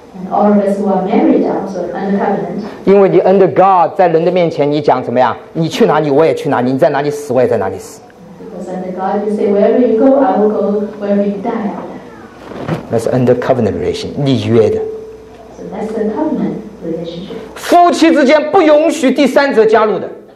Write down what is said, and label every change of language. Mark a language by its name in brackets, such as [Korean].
[English] And all of us who are married are also under covenant. [Chinese] 因为你 [English] under God [Chinese] 在人的面前你讲怎么样？你去哪里我也去哪里，你在哪里死我也在哪里死。 [English] Because under God, you say wherever you go, I will go; wherever you die, I will die. That's under covenant relationship, [Chinese] 立约的。 [English] So that's the covenant. [Chinese] 夫妻之间不允许第三者加入的。